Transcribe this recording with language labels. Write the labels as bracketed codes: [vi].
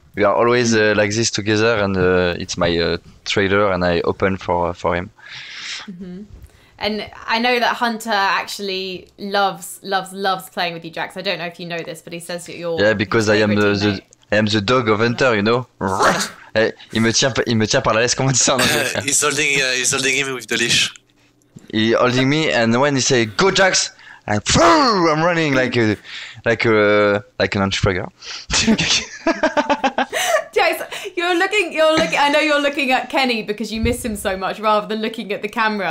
[en] We are always like this together, and it's my trailer, and I open for him. Mm-hmm. And I know that Hunter actually loves playing with you, Jackz. I don't know if you know this, but he says that you're... Yeah, because I am the dog of Hunter, you know? [fr] il me tient par la laisse, comment tu dis ça en anglais? [en] he's holding him with the leash. He's holding me, and when he say, go Jackz! I'm running like an entrepreneur. Jackz, you're looking. I know you're looking at Kenny because you miss him so much, rather than looking at the camera.